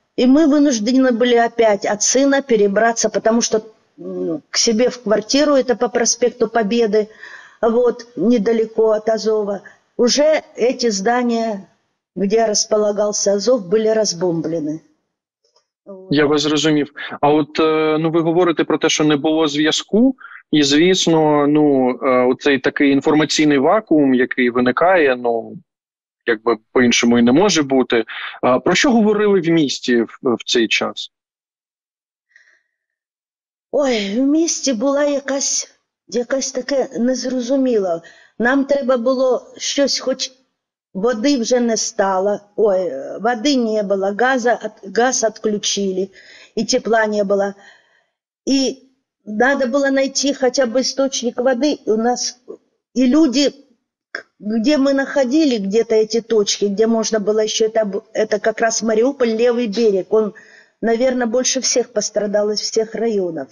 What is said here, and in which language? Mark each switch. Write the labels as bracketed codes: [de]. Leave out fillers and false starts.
[ru] И мы вынуждены были опять от сына перебраться, потому что к себе в квартиру, это по проспекту Победы, вот, недалеко от Азова, уже эти здания, где располагался Азов, были разбомблены. [uk] Я вас зрозумів. А от, ну, ви говорите про те, що не було зв'язку, і, звісно, ну, оцей такий інформаційний вакуум, який виникає, ну, якби по-іншому і не може бути. Про що говорили в місті в цей час? Ой, в місті була якась таке незрозуміло. Нам треба було щось, хоч води вже не стало. Ой, води не було, газ відключили і тепла не було. [ru] И надо было найти хотя бы источник воды. И у нас и люди, где мы находили где-то эти точки, где можно было еще, это как раз Мариуполь, левый берег. Он, наверное, больше всех пострадал из всех районов.